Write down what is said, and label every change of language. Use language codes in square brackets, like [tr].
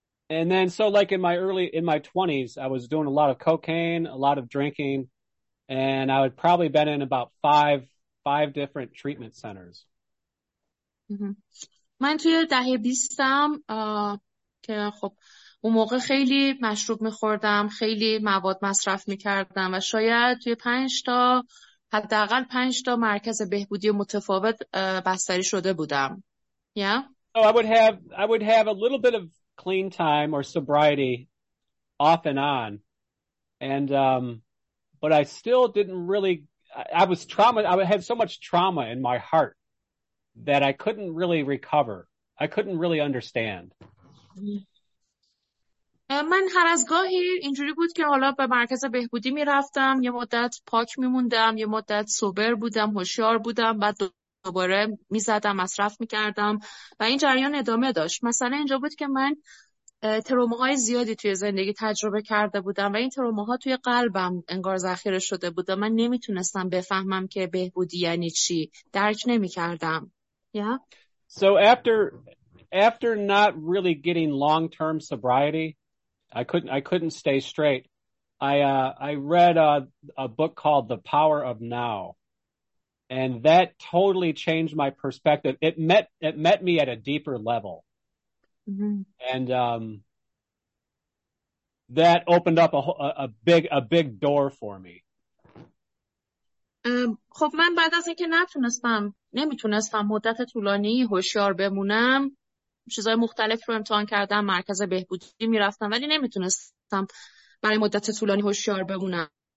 [en] And then like in my 20s I was doing a lot of cocaine, a lot of drinking, and I would probably been in about five different treatment centers. [fa] من توی دهه 20 هم که خب اون موقع خیلی مشروب می‌خوردم، خیلی مواد مصرف می‌کردم و شاید توی 5 تا حداقل 5 تا مرکز بهبودی متفاوت بستری شده بودم. [en] So I would have a little bit of clean time or sobriety off and on. And but I still didn't really, I was trauma, I had so much trauma in my heart that I couldn't really recover. I couldn't really understand. [fa] من هر از گاهی اینجوری بود که حالا به مرکز بهبودی میرفتم، یه مدت پاک میموندم، یه مدت سوبر بودم، هوشیار بودم، بعد دوباره میزدم، مصرف میکردم و این جریان ادامه داشت. مثلا اینجا بود که من تروماهای زیادی توی زندگی تجربه کرده بودم و این تروماها توی قلبم انگار ذخیره شده بود. من نمیتونستم بفهمم که بهبودی یعنی چی، درک نمیکردم. [en] So after not really getting long-term sobriety, I couldn't stay straight. I read a book called The Power of Now, and that totally changed my perspective. It met me at a deeper level. Mm-hmm. And that opened up a big door for me. [fa] خب من بعد از اینکه نمیتونستم مدت طولانی هوشیار بمونم، چیزهای مختلف رو امتحان کردم، مرکز بهبودی میرفتم، ولی نمیتونستم برای مدت طولانی هوشیار بمونم.